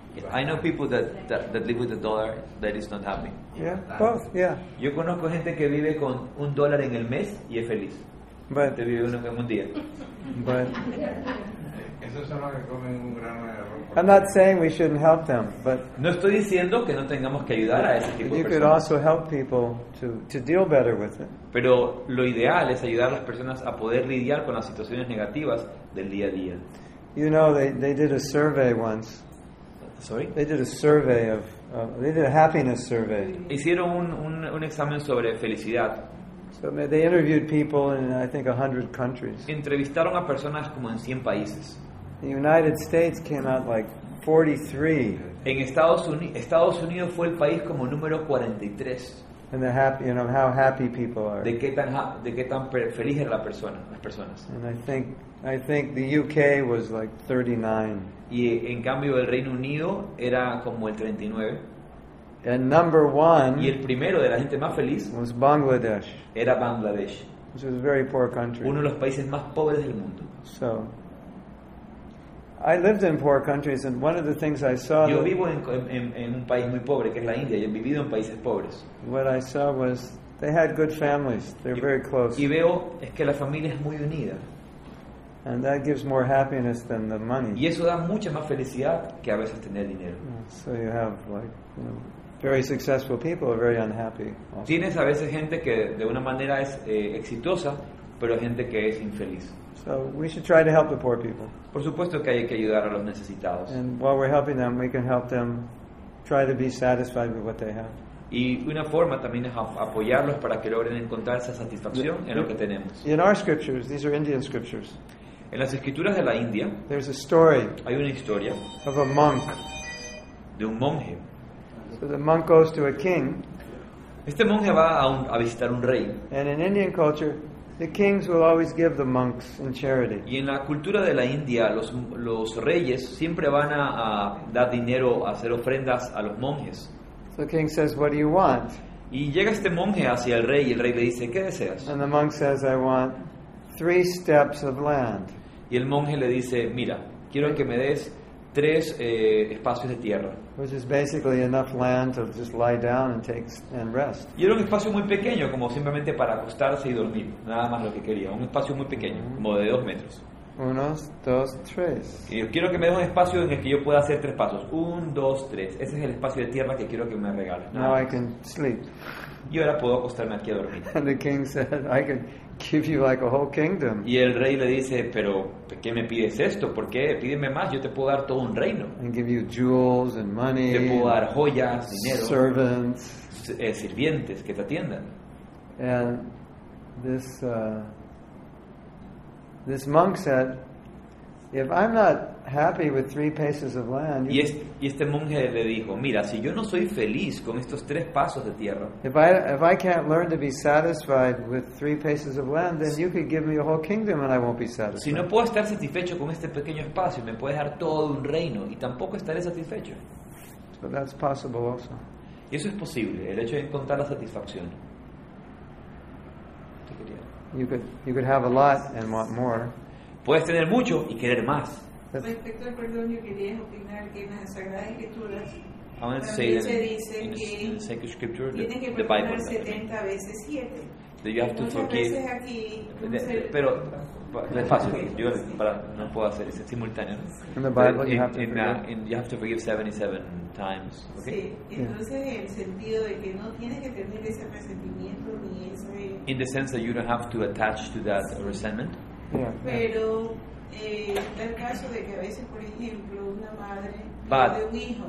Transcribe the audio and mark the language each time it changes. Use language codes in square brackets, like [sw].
[en] I know people that live with a dollar that is not happy. Yeah, both. Yeah. [es] Yo conozco gente que vive con un dólar en el mes y es feliz. [en] But [es] te vive uno en un día. [en] But [es] eso es lo que comen un grano de arroz. [en] I'm not saying we shouldn't help them, but [es] no estoy diciendo que no tengamos que ayudar a ese tipo de personas. [en] You could also help people to deal better with it. [es] Pero lo ideal es ayudar a las personas a poder lidiar con las situaciones negativas del día a día. [en] You know, they did a survey once. Sorry? They did a survey of they did a happiness survey. [es] Hicieron un examen sobre felicidad. [en] So they interviewed people in I think 100 countries. [es] Entrevistaron a personas como en 100 países. [en] The United States came out like 43. [es] En Estados Unidos fue el país como número 43. [en] And the happy, you know, how happy people are. [es] De qué tan felices eran las personas. [en] And I think the UK was like 39. [es] Y en cambio el Reino Unido era como el 39. [en] And number one. [es] Y el primero de la gente más feliz [en] was Bangladesh. [es] Era Bangladesh. [en] Which was a very poor country. [es] Uno de los países más pobres del mundo. [en] So, I lived in poor countries, and one of the things I saw. [es] Yo vivo en un país muy pobre, que es la India. Yo he vivido en países pobres. [en] What I saw was they had good families. They're very close. [es] Y veo es que la familia es muy unida. [en] And that gives more happiness than the money. [es] Y eso da mucha más felicidad que a veces tener dinero. [en] So you have like, you know, very successful people are very unhappy. Also. [es] Tienes a veces gente que de una manera es exitosa, pero gente que es infeliz. [en] So we should try to help the poor people. [es] Por supuesto que hay que ayudar a los necesitados. [en] And while we're helping them, we can help them try to be satisfied with what they have. [es] Y una forma también es apoyarlos para que logren encontrar esa satisfacción en lo que tenemos. [en] In our scriptures, these are Indian scriptures. [es] En las escrituras de la India, [en] there's a story. [es] Hay una historia [en] of a monk. [es] De un monje. [en] So the monk goes to a king. [es] Este monje va a visitar un rey. [en] And in Indian culture, the kings will always give the monks in charity. [es] Y en la cultura de la India, los reyes siempre van a dar dinero, a hacer ofrendas a los monjes. [en] The king says, "What do you want?" [es] Y llega este monje hacia el rey y el rey le dice, "¿Qué deseas?" [en] And the monk says, "I want 3 steps of land." [es] Y el monje le dice, "Mira, quiero que me des 3 espacios de tierra." [en] Which is basically enough land to just lie down and take and rest. [es] Y era un espacio muy pequeño, como simplemente para acostarse y dormir, nada más lo que quería, un espacio muy pequeño, como de 2 metros. [en] 1, 2, 3. [es] Y quiero que me des un espacio en el que yo pueda hacer 3 pasos. 1, 2, 3. Ese es el espacio de tierra que quiero que me regales. [en] Now I can sleep. [es] Y ahora puedo acostarme aquí a dormir. [en] And the king said, "I can give you like a whole kingdom." [es] Y el rey le dice, "Pero ¿qué me pides esto? ¿Por qué? Pídeme más. Yo te puedo dar todo un reino." [en] And give you jewels and money. [es] Te puedo dar joyas, dinero. [en] Servants. [es] Sirvientes que te atiendan. [en] And this. This monk said, "If I'm not happy with 3 paces of land," [es] y este monje le dijo, "Mira, si yo no soy feliz con estos 3 pasos de tierra, [en] if I can't learn to be satisfied with 3 paces of land, then you could give me a whole kingdom and I won't be satisfied." [es] Si no puedo estar satisfecho con este pequeño espacio, me puedes dar todo un reino y tampoco estaré satisfecho. [en] So that's possible also. [es] Y eso es posible, el hecho de encontrar la satisfacción. [en] You could have a lot and want more. [es] Puedes tener mucho y querer más. Respecto al perdón, yo quería opinar que en las Sagradas Escrituras también se dice que tienes que perdonar 70 veces 7. [en] Do you have to forgive? [es] Pero despacio, yo no puedo hacer ese simultáneo. [en] In the Bible, you have to forgive. You have to forgive 77 times. Okay. [es] Sí. Entonces, en el sentido de que no tienes que tener ese resentimiento ni ese. [en] In the sense that you don't have to attach to that resentment. Yeah. [es] Pero el caso de que a veces, por ejemplo, una madre pierde un hijo.